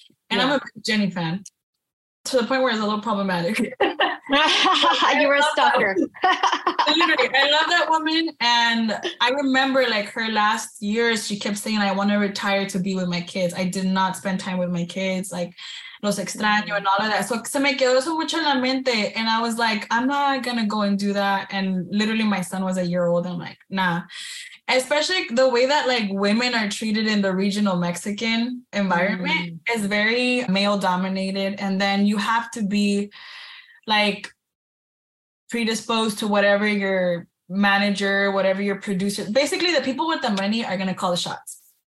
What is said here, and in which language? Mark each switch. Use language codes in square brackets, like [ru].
[en] And yeah. I'm a big Jenny fan to the point where it's a little problematic. You were a stalker. Literally, I love that woman. And I remember, like, her last years, she kept saying, I want to retire to be with my kids. I did not spend time with my kids. Like, [es] los extraño [en] and all of that. So [es] se me quedó eso mucho en la mente. [en] And I was like, I'm not going to go and do that. And literally my son was a year old. I'm like, nah. Especially the way that like women are treated in the regional Mexican environment is very male dominated. And then you have to be like predisposed to whatever your manager, whatever your producer, basically the people with the money are going to call the shots.